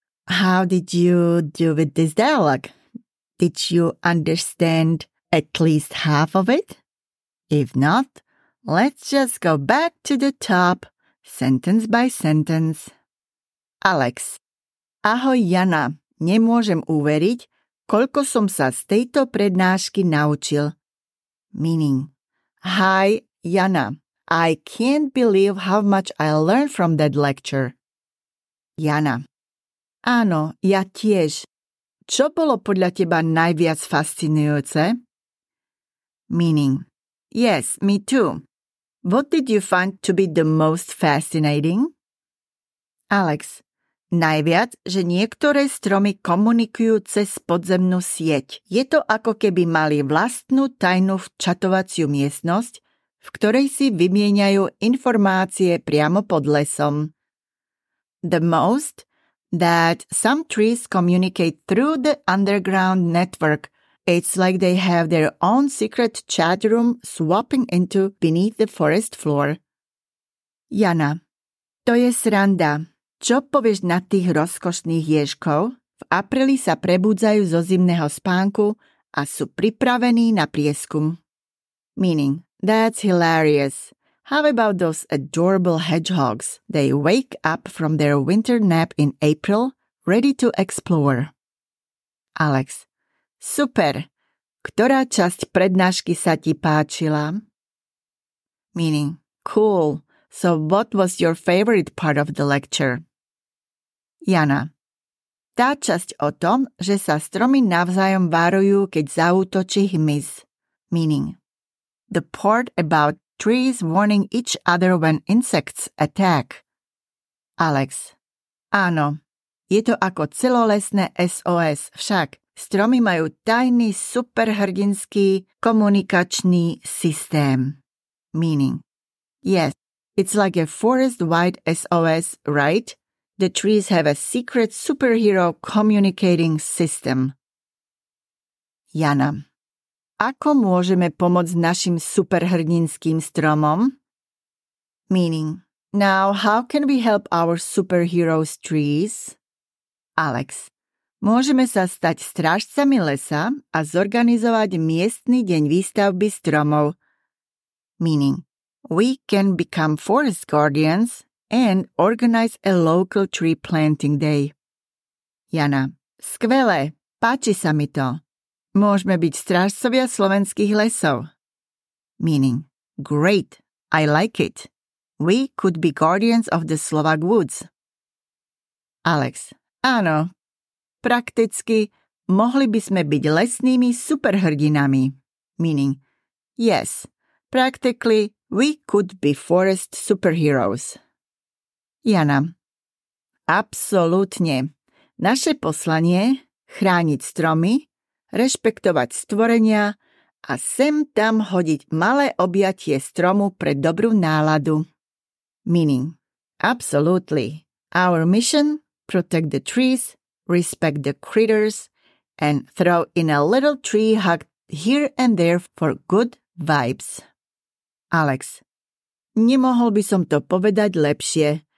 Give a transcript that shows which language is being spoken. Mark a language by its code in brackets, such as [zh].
[en] How did you do with this dialogue? Did you understand at least half of it? If not, let's just go back to the top, sentence by sentence. [sk] Alex. Ahoj, Jana. Nemôžem uveriť, koľko som sa z tejto prednášky naučil. [en] Meaning. Hi, Jana. I can't believe how much I learned from that lecture. [sk] Jana. Áno, ja tiež. Čo bolo podľa teba najviac fascinujúce? [en] Meaning. Yes, me too. What did you find to be the most fascinating? Alex. [sk] Najviac, že niektoré stromy komunikujú cez podzemnú sieť. Je to ako keby mali vlastnú tajnú včatovaciu miestnosť, v ktorej si vymieňajú informácie priamo pod lesom. [en] The most, that some trees communicate through the underground network. It's like they have their own secret chat room swapping into beneath the forest floor. [sk] Jana, to je sranda. Čo povieš na tých rozkošných ježkov? V apríli sa prebudzajú zo zimného spánku a sú pripravení na prieskum. [en] Meaning, that's hilarious. How about those adorable hedgehogs? They wake up from their winter nap in April, ready to explore. [sk] Alex. Super. Ktorá časť prednášky sa ti páčila? [en] Meaning, cool. So what was your favorite part of the lecture? Jana. [sk] Tá časť o tom, že sa stromy navzájom varujú, keď zaútočí hmyz. [en] Meaning, the part about trees warning each other when insects attack. [sk] Alex. Áno. Je to ako celolesné SOS, však stromy majú tajný superhrdinský komunikačný systém. [en] Meaning. Yes, it's like a forest-wide SOS, right? The trees have a secret superhero communicating system. Jana. [sk] Ako môžeme pomôcť našim superhrdinským stromom? [en] Meaning. Now, how can we help our superheroes trees? Alex. [sk] Môžeme sa stať strážcami lesa a zorganizovať miestny deň výstavby stromov. [en] Meaning. We can become forest guardians and organize a local tree planting day. [sk] Jana. Skvelé. Páči sa mi to. Môžeme byť strážcovia slovenských lesov. [en] Meaning. Great. I like it. We could be guardians of the Slovak woods. [sk] Alex. Áno. Prakticky, mohli by sme byť lesnými superhrdinami. [en] Meaning. Yes. Practically, we could be forest superheroes. [sk] Jana. Absolútne. Naše poslanie, chrániť stromy, rešpektovať stvorenia a sem tam hodiť malé objatie stromu pre dobrú náladu. [en] Meaning. Absolutely. Our mission, protect the trees, respect the critters, and throw in a little tree hug here and there for good vibes. Alex. [sk] Nemohol by som to povedať lepšie.